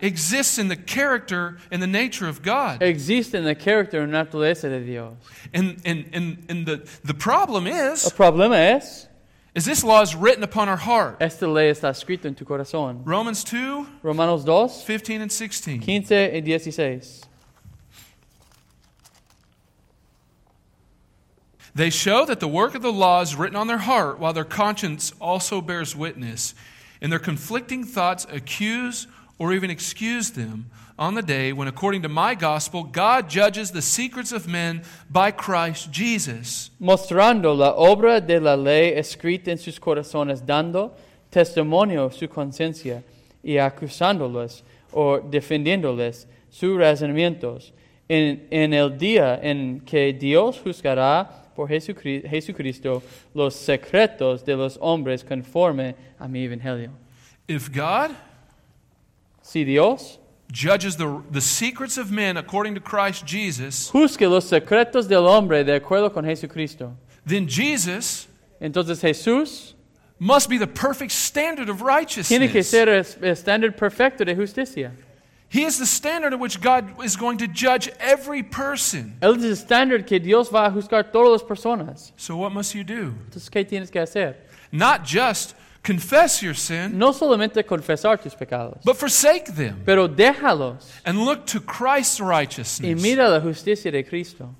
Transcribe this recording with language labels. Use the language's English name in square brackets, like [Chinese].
[English] exists in the character and the nature of God. [Spanish] Existe en el carácter y naturaleza de Dios. [English] And the problem is, [Spanish] el problema es, [English] is this law is written upon our heart. [Spanish] Esta ley está escrita en tu corazón. [English] Romans 2, [Spanish] Romanos 2, [English] 15 and 16. [Spanish] 15 y 16. [English] They show that the work of the law is written on their heart, while their conscience also bears witness, and their conflicting thoughts accuse or even excuse them on the day when, according to my gospel, God judges the secrets of men by Christ Jesus. [Spanish] Mostrando la obra de la ley escrita en sus corazones, dando testimonio su conciencia y acusándoles o defendiéndoles sus razonamientos en el día en que Dios juzgará por Jesucristo, los secretos de los hombres conforme a mi evangelio. [English] If God, [Spanish] si Dios, [English] judges the secrets of men according to Christ Jesus, [Spanish] juzgue los secretos del hombre de acuerdo con Jesucristo, [English] then Jesus, [Spanish] entonces Jesús, [English] must be the perfect standard of righteousness. [Spanish] Tiene que ser el standard perfecto de justicia. [English] He is the standard at which God is going to judge every person. [Spanish] Él es el standard que Dios va a juzgar todas las personas. [English] So what must you do? [Spanish] Entonces, ¿qué tienes que hacer? [English] Not just confess your sin. [Spanish] No solamente confesar tus pecados. [English] But forsake them. [Spanish] Pero déjalos. [English] And look to Christ's righteousness. [Spanish] Y mira la justicia de Cristo.